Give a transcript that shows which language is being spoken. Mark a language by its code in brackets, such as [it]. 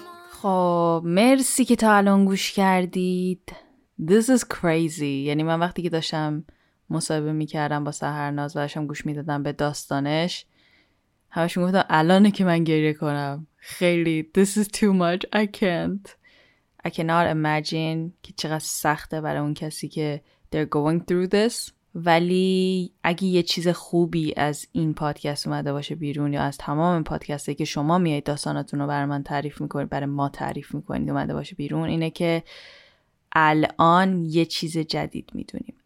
[fa] خب مرسی که تا الان گوش کردید. [en] This is crazy. [fa] یعنی من وقتی که داشتم مصاحبه میکردم با سهرناز و داشتم گوش میدادم به داستانش همش میگفتم الانه که من گریه کنم. خیلی [en] This is too much. I cannot imagine [fa] که چقدر سخته برای اون کسی که [en] they're going through this. [fa] ولی اگه یه چیز خوبی از این پادکست اومده باشه بیرون یا از تمام پادکستی که شما میایید داستاناتون رو برای من تعریف میکنید برای ما تعریف میکنید اومده باشه بیرون اینه که الان یه چیز جدید میدونیم.